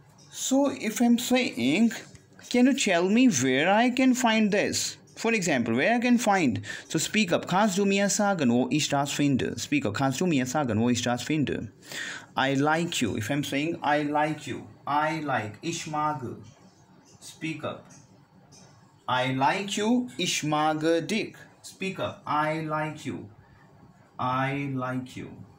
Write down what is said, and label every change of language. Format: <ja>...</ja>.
<en>So if I'm saying, can you tell me where I can find this? For example, where I can find? So speak up.</en> <de>Kannst du mir sagen, wo ich das finde?</de> <en>Speak up.</en> <de>Kannst du mir sagen, wo ich das finde?</de> <en>I like you. If I'm saying I like you, I like.</en> <de>Ich mag.</de> <en>Speak up. I like you.</en> <de>Ich mag dich.</de> <en>Speak up. I like you. I like you.</en>